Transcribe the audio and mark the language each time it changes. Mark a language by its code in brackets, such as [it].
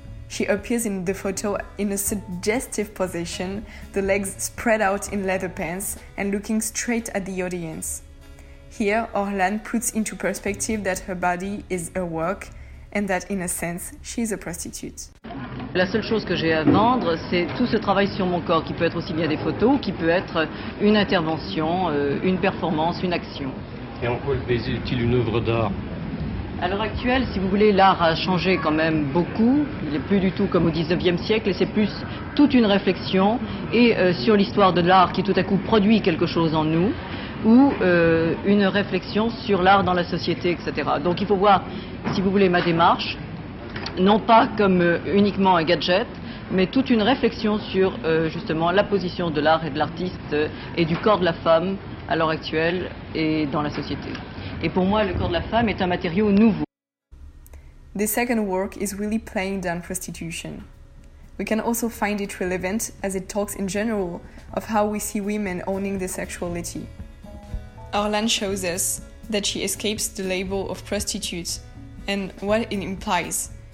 [en] She appears in the photo in a suggestive position, the legs spread out in leather pants and looking straight at the audience. Here, Orlan puts into perspective that her body is a work and that in a sense, she is a prostitute. [fr] La seule chose que j'ai à vendre, c'est tout ce travail sur mon corps qui peut être aussi bien des photos, qui peut être une intervention, une performance, une action. Et en quoi le baiser est-il une œuvre d'art ? À l'heure actuelle, si vous voulez, l'art a changé quand même beaucoup. Il n'est plus du tout comme au 19e siècle et c'est plus toute une réflexion et sur l'histoire de l'art qui tout à coup produit quelque chose en nous ou une réflexion sur l'art dans la société, etc. Donc il faut voir, si vous voulez, ma démarche. Non pas comme uniquement un gadget, mais toute une réflexion sur justement la position de l'art et de l'artiste et du corps de la femme à l'heure actuelle et dans la société. Et pour moi, le corps de la femme est un matériau nouveau. [en] The second work is really playing down prostitution. We can also find it relevant as it talks in general of how we see women owning their sexuality. Orlan shows us that she escapes the label of prostitute and what it implies.